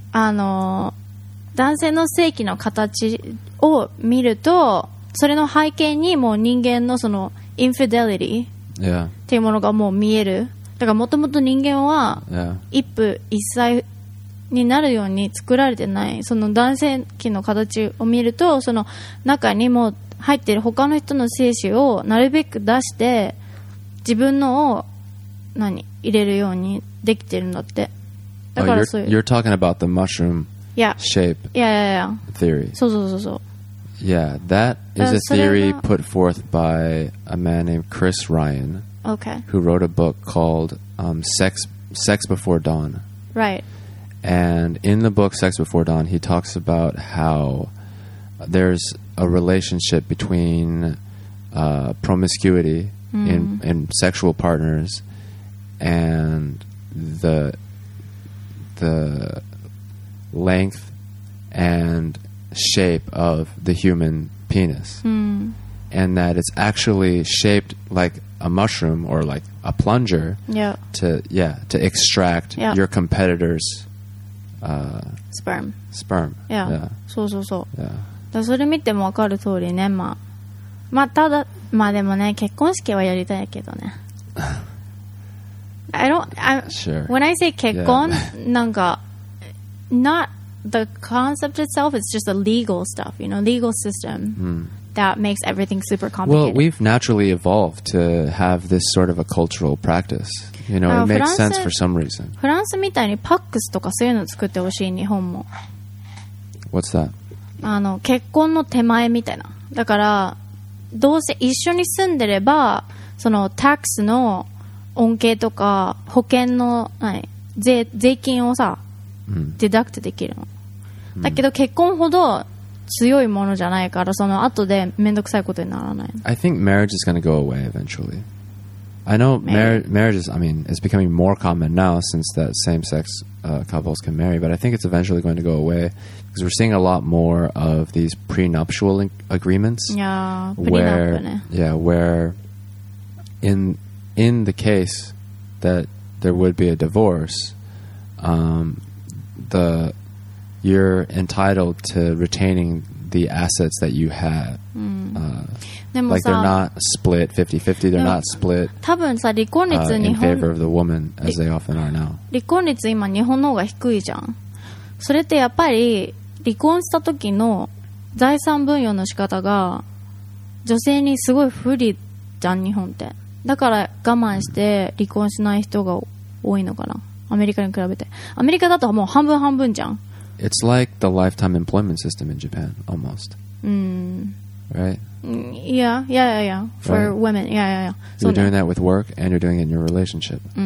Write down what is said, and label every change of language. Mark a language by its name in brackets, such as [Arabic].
[Japanese] あの男性の性器の形を見るとそれの背景にもう人間のそのインフィデリティっていうものがもう見えるだからもともと人間は一夫一妻になるように作られてないその男性器の形を見るとその中にも入っている他の人の精子をなるべく出して自分のを何入れるようにできてるんだってだからそういう、 [English] oh, you're talking about the mushroom shape theory [Japanese] そうそうそうそう [English] Yeah, that is a theory put forth by a man named Chris Ryan Okay who wrote a book called Sex Before Dawn Right And in the book Sex Before Dawn, he talks about how there's a relationship between promiscuity in sexual partners and the length and shape of the human penis. Mm. And that it's actually shaped like a mushroom or like a plunger to extract your competitor's... Sperm. [Japanese] そうそうそう。 [English] Yeah. [Japanese] だそれ見ても分かる通りね、まあ。まあ、ただ、まあでもね、結婚式はやりたいけどね。 [English] Sure. When I say 結婚, なんか、not the concept itself, it's just the legal stuff, you know, legal system、that makes everything super complicated. Well, we've naturally evolved to have this sort of a cultural practice. You know, it makes sense for some reason. [Japanese] フランスみたいにパックスとかそういうの作ってほしい、日本も。 [English] What's that? [Japanese] あの、結婚の手前みたいな。だから、どうせ一緒に住んでれば、その、タックスの恩恵とか、保険の、はい、税金をさ、デダクトできるの。だけど、結婚ほど強いものじゃないから、その後でめんどくさいことにならない。 [English] I think marriage is gonna go away eventually. I know marriage is, I mean, it's becoming more common now since that same-sex couples can marry, but I think it's eventually going to go away because we're seeing a lot more of these prenuptial agreements. Yeah, where in the case that there would be a divorce, the you're entitled to retaining the assets that you have. [Japanese] でもさ, [English] they're not split 50-50. They're not split in favor of the woman as they often are now. [Japanese] 離婚率今日本の方が低いじゃん。それってやっぱり離婚した時の財産分与の仕方が女性にすごい不利じゃん、日本って。だから我慢して離婚しない人が多いのかな、アメリカに比べて。アメリカだともう半分半分じゃん。 [English] It's like the lifetime employment system in Japan, almost. Right? Yeah. For right. women, yeah. You're doing that with work, and you're doing it in your relationship.